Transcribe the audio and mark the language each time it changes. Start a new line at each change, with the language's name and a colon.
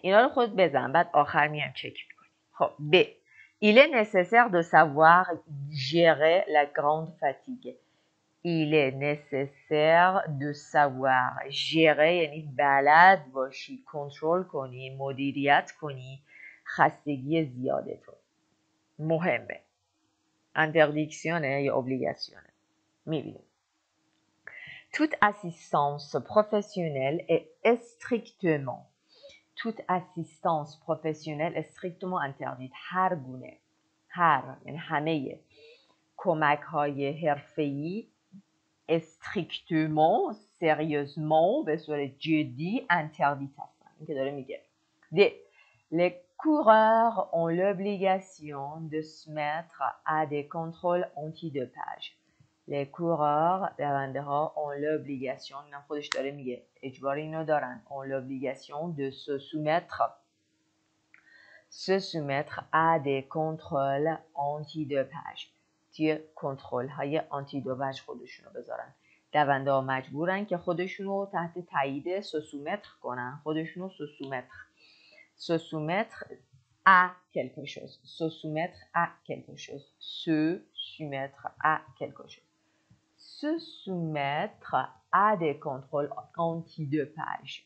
Persian: اینا رو خود بزن بعد آخر میام چک میکنیم.
French: خب ب il est nécessaire de savoir gérer la grande fatigue. il est nécessaire de savoir gérer
Persian: یعنی بلد باشی، کنترل کنی، مدیریت کنی خستگی زیادتو. مهمه. انتردیکسیونه یا اوبلیگاسیونه.
French: Toute assistance professionnelle est strictement interdite.
Persian: هر گونه، هر یعنی همه کمک های حرفه‌ای استریکتومون سریوزمون به صورت جدی انتردیت هستن. این که داره میگه د
French: les coureurs ont l'obligation de se mettre à des contrôles antidopage. Les coureurs,
Persian: دونده‌ها
French: ont l'obligation,
Persian: اینم خودش داره میگه، اجبار اینو دارن،
French: ont l'obligation de se soumettre à des contrôles antidopage.
Persian: دیگه کنترل های آنتی‌دوپاژ خودشونو بذارن. دونده‌ها مجبورن که خودشونو تحت تایید سوسومتر کنن، خودشونو سوسومتر.
French: سوسومتر à quelque chose. سوسومتر à quelque chose. سوسومتر à quelque chose. Se soumettre à des contrôles antidopage.